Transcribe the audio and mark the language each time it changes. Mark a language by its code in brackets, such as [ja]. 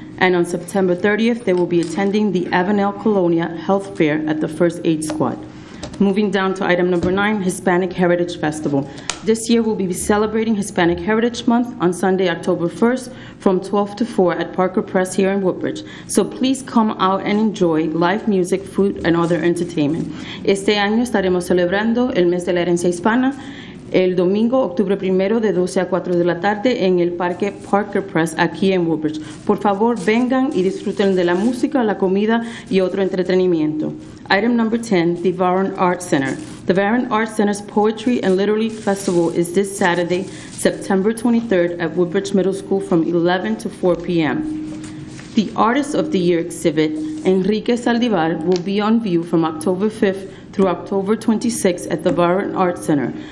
[en] And on September 30th, they will be attending the Avenel Colonia Health Fair at the First Aid Squad. Moving down to item number nine, Hispanic Heritage Festival. This year, we'll be celebrating Hispanic Heritage Month on Sunday, October 1st, from 12 to 4 at Parker Press here in Woodbridge. So please come out and enjoy live music, food, and other entertainment. [es] Este año estaremos celebrando el mes de la herencia hispana el domingo, octubre primero, de 12 a 4 de la tarde en el Parque Parker Press aquí en Woodbridge. Por favor, vengan y disfruten de la música, la comida y otro entretenimiento. [en] Item number 10, the Varon Art Center. The Varon Art Center's Poetry and Literary Festival is this Saturday, September 23rd at Woodbridge Middle School from 11 to 4 p.m. The Artist of the Year exhibit, Enrique Saldivar, will be on view from October 5th through October 26th at the Byron Arts Center.